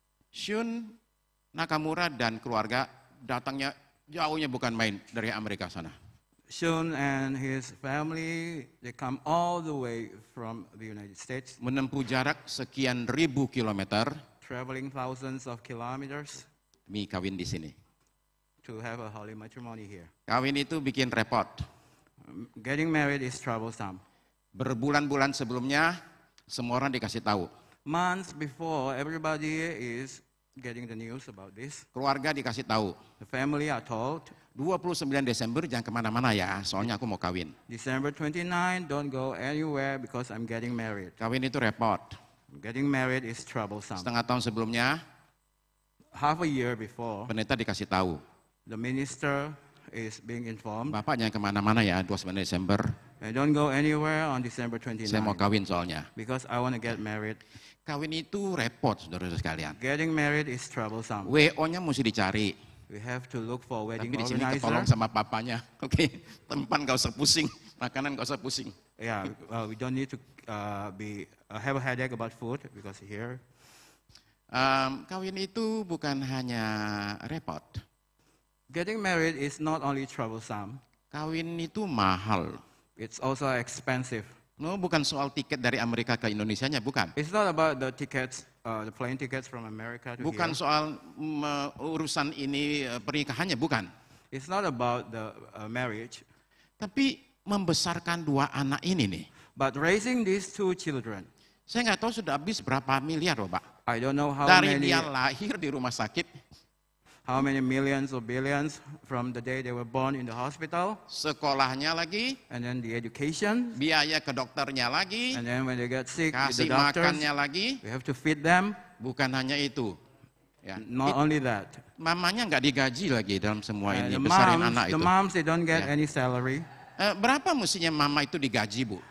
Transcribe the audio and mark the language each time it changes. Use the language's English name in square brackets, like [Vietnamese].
[Indonesian] Shun Nakamura dan keluarga datangnya jauhnya bukan main dari Amerika sana. [English] Shun and his family, they come all the way from the United States. [Indonesian] Menempuh jarak sekian ribu kilometer. [English] Traveling thousands of kilometers. [Indonesian] Mi kawin di sini. [English] To have a holy matrimony here. [Indonesian] Kawin itu bikin repot. [English] Getting married is troublesome. [Indonesian] Berbulan-bulan sebelumnya semua orang dikasih tahu. [English] Months before everybody is getting the news about this. [Indonesian] Keluarga dikasih tahu. [English] The family are told. [Indonesian] 29 Desember jangan kemana-mana ya, soalnya aku mau kawin. [English] December 29 don't go anywhere because I'm getting married. [Indonesian] Kawin itu repot. [English] Getting married is troublesome. [Indonesian] Setengah tahun sebelumnya. [English] Half a year before. [Indonesian] Pendeta dikasih tahu. [English] The minister is being informed. [Indonesian] Bapak jangan kemana-mana ya 29 Desember. [English] I don't go anywhere on December 29. [Indonesian] Saya mau kawin soalnya. [English] Because I want to get married. [Indonesian] Kawin itu repot, saudara-saudara sekalian. [English] Getting married is troublesome. [Indonesian] WO-nya mesti dicari. [English] We have to look for wedding organizer. [Indonesian] Tapi di sini ketolong sama papanya. Oke, tempat gak usah pusing, makanan gak usah pusing. [English] Yeah, we don't need to have a headache about food because here. [Indonesian] Kawin itu bukan hanya repot. [English] Getting married is not only troublesome. [Indonesian] Kawin itu mahal. [English] It's also expensive. No, [Indonesian] bukan soal tiket dari Amerika ke Indonesianya, bukan. [English] It's not about the tickets, the plane tickets from America to [Indonesian] bukan [English] here. [Indonesian] Soal urusan ini pernikahannya, bukan. [English] It's not about the marriage. [Indonesian] Tapi membesarkan dua anak ini nih. [English] But raising these two children. [Indonesian] Saya nggak tahu sudah habis berapa miliar, Pak. [English] I don't know how [Indonesian] dari [English] many. [Indonesian] Dari dia lahir di rumah sakit. [English] How many millions or billions from the day they were born in the hospital? [Indonesian] Sekolahnya lagi. [English] And then the education. [Indonesian] Biaya ke dokternya lagi. [English] And then when they get sick, [Indonesian] kasih [English] the doctors, [Indonesian] makannya lagi. [English] We have to feed them. [Indonesian] Bukan hanya itu. [English] Not only that. [Indonesian] Mamanya enggak digaji lagi dalam semua ini, besarin anak itu. [English] The moms, they don't get any salary. [Indonesian] Berapa mestinya mama itu digaji, Bu?